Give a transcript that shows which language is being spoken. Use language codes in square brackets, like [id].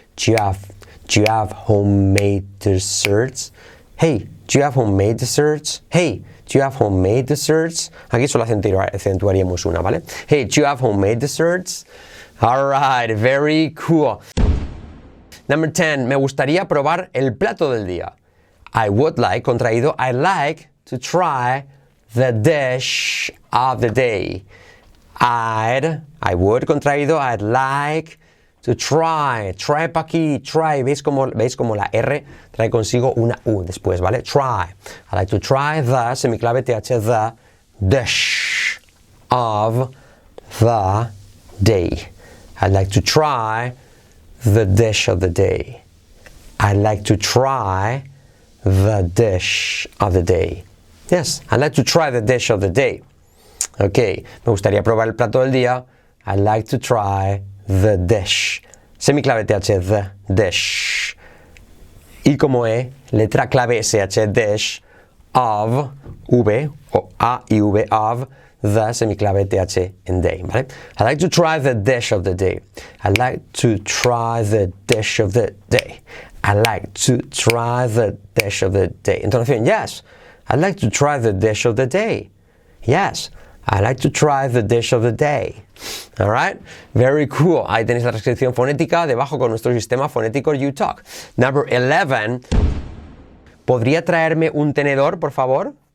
[en] Do you have homemade desserts? Hey, do you have homemade desserts? Hey, do you have homemade desserts? [es] Aquí solo acentuaríamos una, ¿vale? [en] Hey, do you have homemade desserts? All right, very cool. Number 10, [es] me gustaría probar el plato del día. [en] I would like, contraído, I'd like to try the dish of the day. I would, contraído, I'd like to try. Trip aquí, try. [es] ¿Veis cómo la R trae consigo una U después, ¿vale? [en] Try. I'd like to try the, semiclave TH, the dish of the day. I'd like to try the dish of the day. I'd like to try the dish of the day. Yes, I'd like to try the dish of the day. [es] Okay, me gustaría probar el plato del día. [en] I'd like to try the dish. Semiclave TH, the dish. [es] Y como E, letra clave SH, dish of, V, o A y V, of, the, semiclave TH, in day, ¿vale? [en] I'd like to try the dish of the day. I'd like to try the dish of the day. I'd like to try the dish of the day. Entonación, yes. I'd like to try the dish of the day. Yes. I'd like to try the dish of the day. All right? Very cool. [es] Ahí tenéis la transcripción fonética debajo con nuestro sistema fonético UTalk. [en] Number 11. [es] ¿Podría traerme un tenedor, por favor?